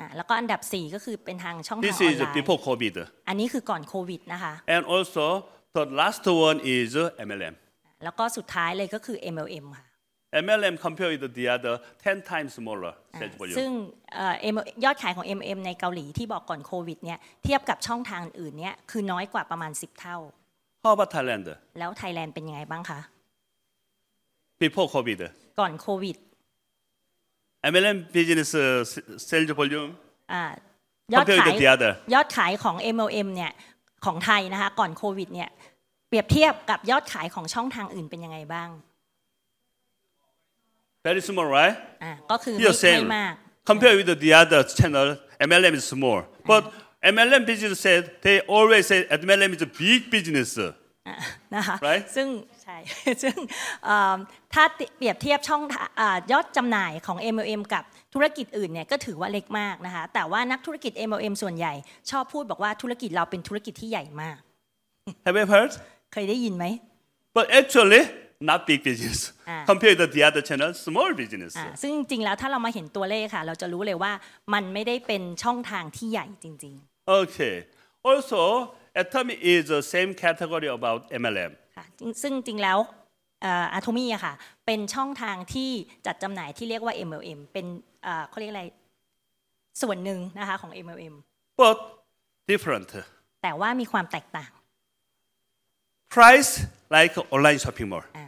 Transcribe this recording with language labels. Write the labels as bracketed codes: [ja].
[th] แล้วก็อันดับ4ก็คือเป็นทางช่องทางออน ไลน์ [en] This is before COVID [th] อันนี้คือก่อนโควิดนะคะ [en] And also the last one is MLM [th] แล้วก็สุดท้ายเลยก็คือ MLM ค่ะ [en] MLM compared with the other 10 times smaller sales volume. [th] ซึ่งยอดขายของ MLM ในเกาหลีที่บอกก่อนโควิดเนี่ยเทียบกับช่องทางอื่นเนี่ยคือน้อยกว่าประมาณ10เท่า [en] How about Thailand? [th] แล้ว Thailand เป็นยังไงบ้างคะ [en] Before COVID. [th] ก่อนโควิด [en] MLM business sales volume. [th] ยอดขายของ MLM เนี่ยของไทยนะคะก่อนโควิดเนี่ยเปรียบเทียบกับยอดขายของช่องทางอื่นเป็นยังไงบ้าง [en] very small right [th] ก็คือไม่มาก [en] compare with the other channel MLM is small but MLM business said they always say MLM is a big business [th] นะคะ [en] right [th] ซึ่งใช่ซึ่งถ้าเปรียบเทียบช่องยอดจำหน่ายของ MLM กับธุรกิจอื่นเนี่ยก็ถือว่าเล็กมากนะคะแต่ว่านักธุรกิจ MLM ส่วนใหญ่ชอบพูดบอกว่าธุรกิจเราเป็นธุรกิจที่ใหญ่มาก [en] Have you heard [th] เคยได้ยินไหม [en] but actuallyNot big business compared to the other channel, small business. [th] ซึ่งจริงๆแล้วถ้าเรามาเห็นตัวเลขค่ะเราจะรู้เลยว่ามันไม่ได้เป็นช่องทางที่ใหญ่จริง [en] ๆ Okay. Also, Atomy is the same category about MLM. [th] ซึ่งจริงๆแล้ว Atomy ค่ะเป็นช่องทางที่จัดจำหน่ายที่เรียกว่า MLM เป็นเขาเรียกอะไรส่วนหนึ่งนะคะของ MLM. [en] But different. [th] แต่ว่ามีความแตกต่าง [en] Price. Like online shopping mall.